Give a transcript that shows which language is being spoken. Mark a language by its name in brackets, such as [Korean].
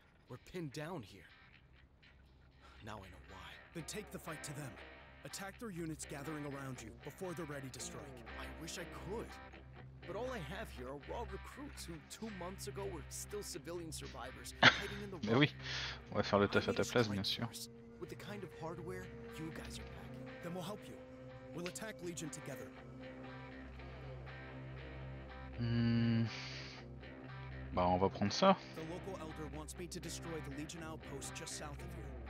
[English] We're pinned down here. Now I know why. Then take the fight to them. Attack their units gathering around you before they're ready to strike. I wish I could. But all I have here are raw recruits who 2 months ago were still civilian survivors hiding in the [French] woods. Mais oui, on va faire le taf à ta place, bien sûr. [English] With the kind of hardware you guys are packing, then we'll help you. We'll attack Legion together. [French] Bah on va prendre ça. [English] The local elder wants me to destroy the Legion outpost just south of here.